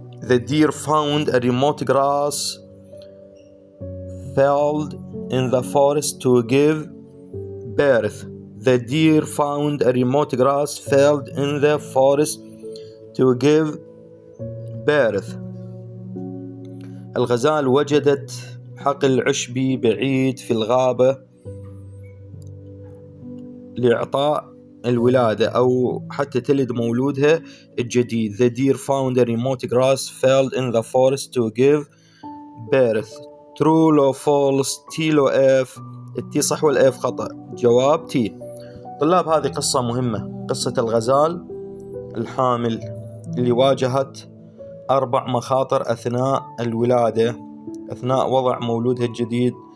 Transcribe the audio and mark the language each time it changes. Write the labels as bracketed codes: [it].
[en] The deer found a remote grass field in the forest to give birth. The deer found a remote grass field in the forest to give birth. [ar] الغزال وجدت حقل عشبي بعيد في الغابة لإعطاء الولادة أو حتى تلد مولودها الجديد. [en] The deer found a remote grass field in the forest to give birth. True or false. T لو F. [ar] T صح والF خطأ. جواب T. طلاب، هذه قصة مهمة، قصة الغزال الحامل اللي واجهت أربع مخاطر أثناء الولادة، أثناء وضع مولودها الجديد.